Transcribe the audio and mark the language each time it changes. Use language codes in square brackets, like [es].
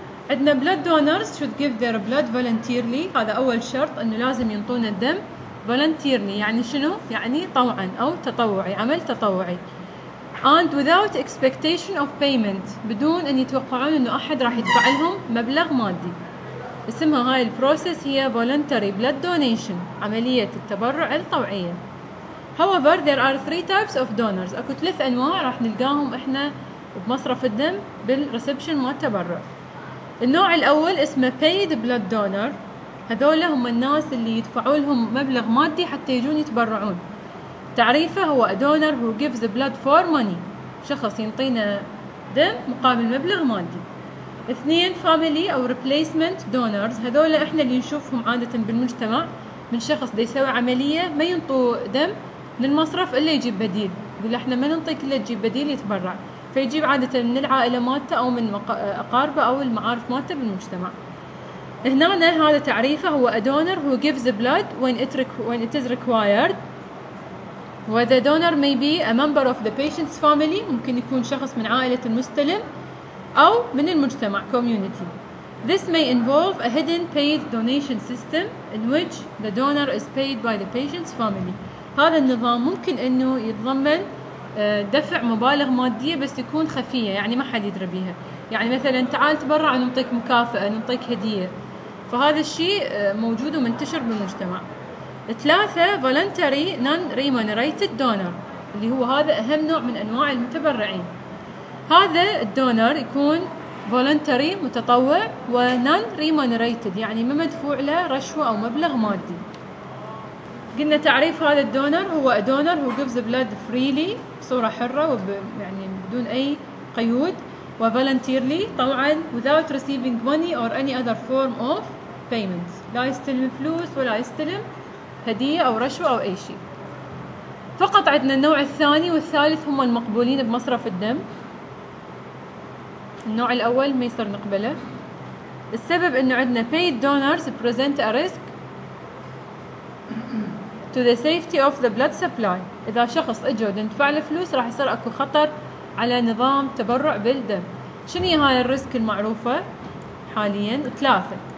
[ar] عندنا [en] blood donors should give their blood voluntarily، [ar] هذا أول شرط إنه لازم ينطون الدم voluntarily، يعني شنو؟ يعني طوعا أو تطوعي، عمل تطوعي. [en] And without expectation of payment، [ar] بدون أن يتوقعون إنه أحد راح يدفع لهم مبلغ مادي. اسمها هاي البروسيس هي [en] voluntary blood donation، [ar] عملية التبرع الطوعية. [en] However, there are three types of donors. [ar] أكو ثلاث أنواع راح نلقاهم إحنا بمصرف الدم بالرسبشن مال التبرع. النوع الأول اسمه [en] paid blood donor. [ar] هذول هم الناس اللي يدفعوا لهم مبلغ مادي حتى يجون يتبرعون. تعريفه هو [en] a donor who gives blood for money. [ar] شخص ينطينا دم مقابل مبلغ مادي. اثنين family أو [en] replacement donors. [ar] هذول إحنا اللي نشوفهم عادة بالمجتمع من شخص دي يسوي عملية ما ينطوا دم للمصرف إلا يجيب بديل، يقول إحنا ما ننطيك إلا تجيب بديل يتبرع، فيجيب عادة من العائلة مالته أو من أقاربه أو المعارف مالته بالمجتمع. هنا هذا تعريفه هو [en] a donor who gives blood when it is required. [ar] وذا [en] donor may be a member of the patient's family، [ar] ممكن يكون شخص من عائلة المستلم أو من المجتمع community. [en] This may involve a hidden paid donation system in which the donor is paid by the patient's family. [ar] هذا النظام ممكن انه يتضمن دفع مبالغ ماديه بس تكون خفيه، يعني ما حد يدري بيها، يعني مثلا تعال تبرع نعطيك مكافاه نعطيك هديه، فهذا الشيء موجود ومنتشر بالمجتمع. ثلاثه [en] voluntary non remunerated donor [ar] اللي هو هذا اهم نوع من انواع المتبرعين. هذا الدونر يكون voluntary متطوع و [en] non remunerated [ar] يعني ما مدفوع له رشوه او مبلغ مادي. قلنا تعريف هذا الدونر هو [en] a donor who gives blood freely [ar] بصورة حرة يعني بدون أي قيود و voluntarily طوعا [en] without receiving money or any other form of payment، [ar] لا يستلم فلوس ولا يستلم هدية أو رشوة أو أي شيء. فقط عندنا النوع الثاني والثالث هم المقبولين بمصرف الدم. النوع الأول ما يصير نقبله، السبب أنه عندنا [en] paid donors present a risk to the safety of the blood supply. [ar] إذا شخص إجا ودفع له فلوس راح يصير أكو خطر على نظام تبرع بالدم. شنو هاي الريسك المعروفة حالياً؟ ثلاثة.